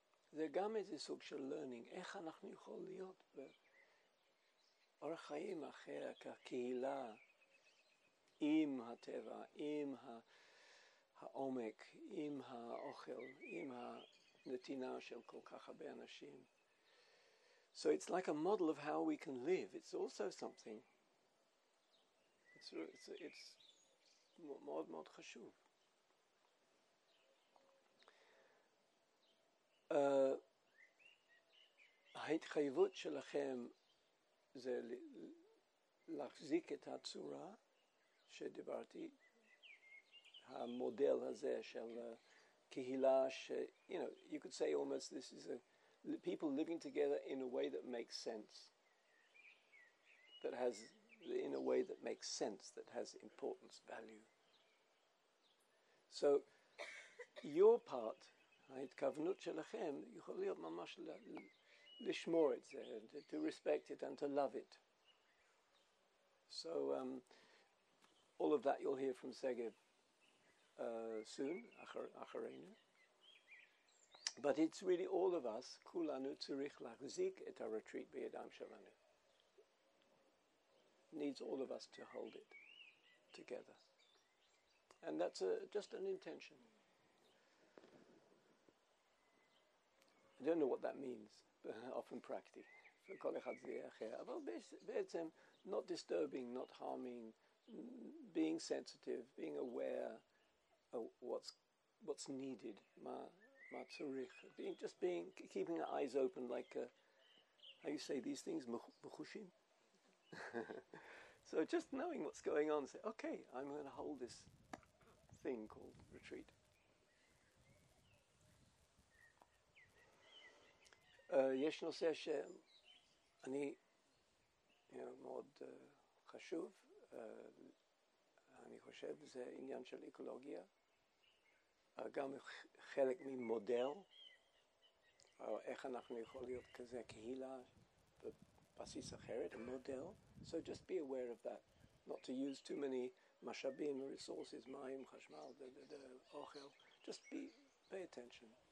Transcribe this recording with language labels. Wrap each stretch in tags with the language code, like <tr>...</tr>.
<he>זה גם איזה סוג של learning, איך אנחנו יכול להיות באורח חיים אחר, כקהילה, עם הטבע, עם העומק, עם האוכל, עם הנתינה של כל כך הרבה אנשים.</he> <en>So it's like a model of how we can live. It's also something. It's</en> <he>מאוד מאוד חשוב. ההתחייבות שלכם זה להחזיק את הצורה, שדיברתי, המודל הזה של קהילה ש,</he> <en>you know, you could say almost this is a people living together in a way that makes sense, that has, in a way that makes sense, that has importance, value. So your part,</en> <he>ההתכוונות שלכם, יכול להיות ממש לשמור את זה,</he> <en>to respect it and to love it. So all of that you'll hear from Segev soon,</en> <he>אחרינו.</he> <en>But it's really all of us,</en> <he>כולנו צריך להחזיק את הרטריט בידיים שלנו.</he> <en>Needs all of us to hold it together. And that's just an intention. I don't know what that means, often practice. For</en> <he>כל אחד זה אחר. אבל בעצם,</he> <en>not disturbing, not harming, being sensitive, being aware of what's needed,</en> <he>מה צריך,</he> <en>just being, keeping our eyes open, like, how you say these things,</en> <he>מחושים.</he> <en>So just knowing what's going on, say, okay, I'm going to hold this thing called retreat.</en> <he>יש נושא שאני,</he> <en>you know,</en> <he>מאוד חשוב, אני חושב, זה עניין של אקולוגיה, גם חלק ממודל, איך אנחנו יכולים להיות כזה קהילה בבסיס אחרת, מודל.</he> <en>So just be aware of that, not to use too many</en> <he>משאבים,</he> <en>resources,</en> <he>מים, חשמל, אוכל,</he> <en>just pay attention.</en>